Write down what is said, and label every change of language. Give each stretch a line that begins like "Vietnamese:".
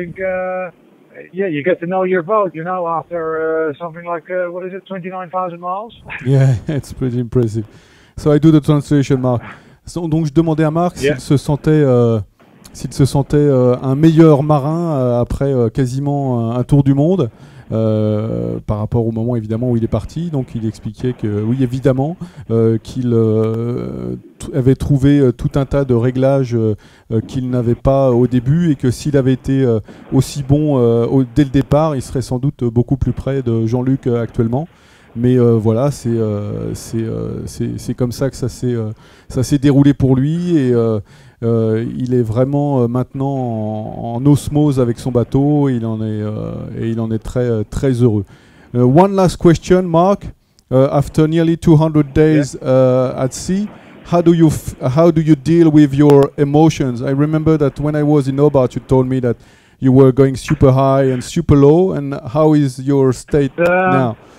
English: I think you get to know your boat, you know, after something like 29,000 miles. Yeah, it's pretty impressive. So I do the translation, Mark.
French: So, donc je demandais à Mark s'il se sentait un meilleur marin après quasiment un tour du monde par rapport au moment évidemment où il est parti. Donc il expliquait que oui, évidemment, qu'il avait trouvé tout un tas de réglages qu'il n'avait pas au début, et que s'il avait été aussi bon dès le départ, il serait sans doute beaucoup plus près de Jean-Luc actuellement. Mais c'est comme ça que ça s'est déroulé pour lui. Et il est vraiment maintenant en osmose avec son bateau. Il en est très très heureux.
English: One last question, Mark. After nearly 200 days at sea, how do you deal with your emotions? I remember that when I was in Hobart, you told me that you were going super high and super low, and how is your state now?